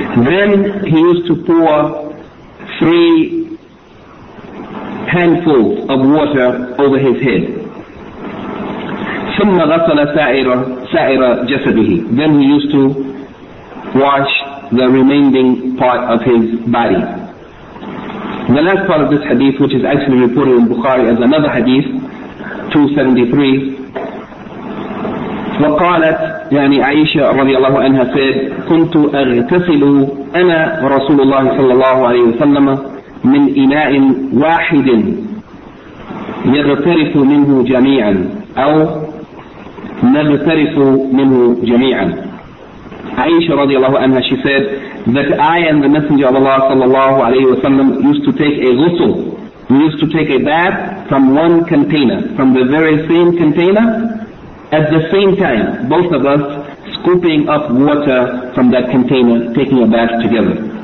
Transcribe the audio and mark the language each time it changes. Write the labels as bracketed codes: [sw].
[en] Then he used to pour 3 handfuls of water over his head. [ar] ثم غسل سائر جسده, [en] then he used to wash the remaining part of his body. The last part of this hadith, which is actually reported in Bukhari as another hadith, 273, [ar] وقالت يعني عائشة رضي الله عنها [en] said, [ar] كنت أغتسل أنا ورسول الله صلى الله عليه وسلم من إناء واحد يغترف منه جميعا أو نغترف منه جميعا. [en] Aisha radiallahu anha, she said that I and the Messenger of Allah sallallahu alayhi wa sallam used to take a ghusl. We used to take a bath from one container, from the very same container, at the same time, both of us scooping up water from that container, taking a bath together.